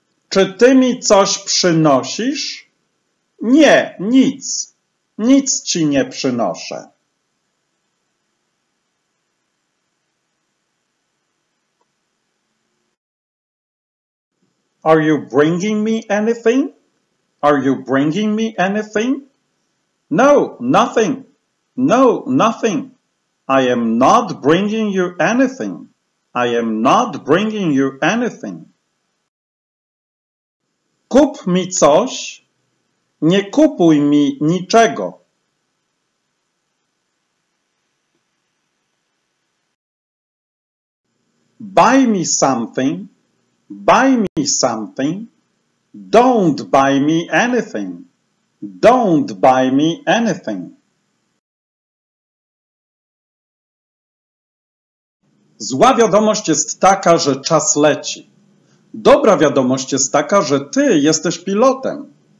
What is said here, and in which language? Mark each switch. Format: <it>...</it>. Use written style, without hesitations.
<pl>Czy ty mi coś przynosisz? Nie, nic. Nic ci nie przynoszę.</pl> <en>Are you bringing me anything? Are you bringing me anything? No, nothing. No, nothing. I am not bringing you anything. I am not bringing you anything.</en> <pl>Kup mi coś, nie kupuj mi niczego.</pl> <en>Buy me something, buy me something. Don't buy me anything, don't buy me anything.</en> <pl>Zła wiadomość jest taka, że czas leci. Dobra wiadomość jest taka, że ty jesteś pilotem.</pl>